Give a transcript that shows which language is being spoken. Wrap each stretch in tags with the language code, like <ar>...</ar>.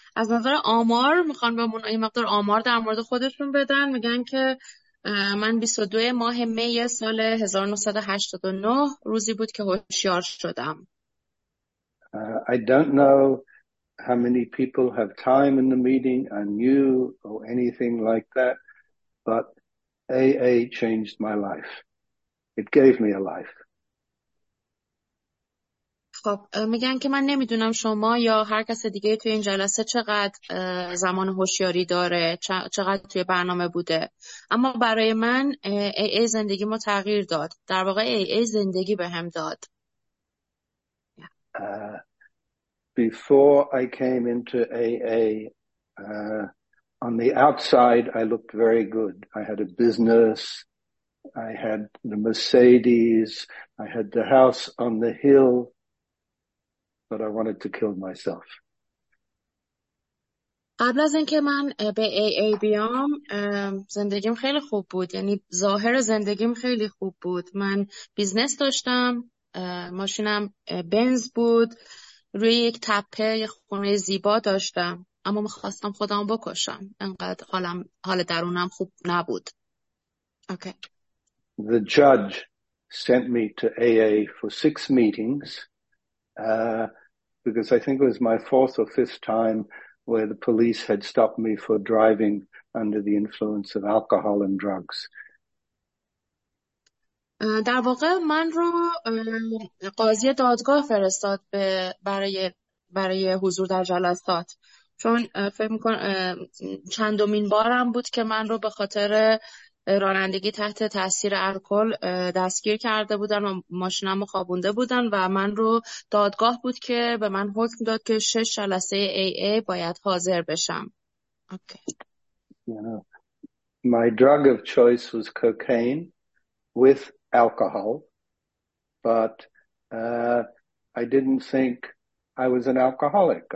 <fa>از نظر آمار میخوان بهمون این مقدار آمار در مورد خودشون بدن، میگن که من 22 ماه می سال 1989 روزی بود که هوشیار شدم.</fa> <en>I don't know how many people have time in the meeting and you or anything like that, but AA changed my life. It gave me a life.</en> <fa>خب میگن که من نمیدونم شما یا هر کس دیگه توی این جلسه چقدر زمان هوشیاری داره، چقدر توی برنامه بوده، اما برای من AA زندگی ما تغییر داد. در واقع AA زندگی به هم داد.</fa> <en>Before I came into AA, on the outside I looked very good. I had a business, I had the Mercedes, I had the house on the hill. But I wanted to kill myself.</en> <fa>قبل از اینکه من به AA بیام زندگیم خیلی خوب بود، یعنی ظاهر زندگیم خیلی خوب بود. من بیزنس داشتم، ماشینم بنز بود، روی یک تپه یک خونه زیبا داشتم، اما میخواستم خودم بکشم، انقدر حال درونم خوب نبود.</fa> <en>The judge sent me to AA for 6 meetings. Because I think it was my fourth or fifth time where the police had stopped me for driving under the influence of alcohol and drugs.</en> <fa>در واقع من رو قاضی دادگاه فرستاد به برای حضور در جلسات، چون فکر می‌کنم چندمین بارم بود که من رو به خاطر رانندگی تحت تاثیر الکل دستگیر کرده بودن و ماشینم رو خوابونده بودن و من رو دادگاه بود که به من حکم داد که 6 جلسه AA باید حاضر بشم.</fa> <en>My drug of choice was cocaine with alcohol, but I didn't think I was an alcoholic.</en>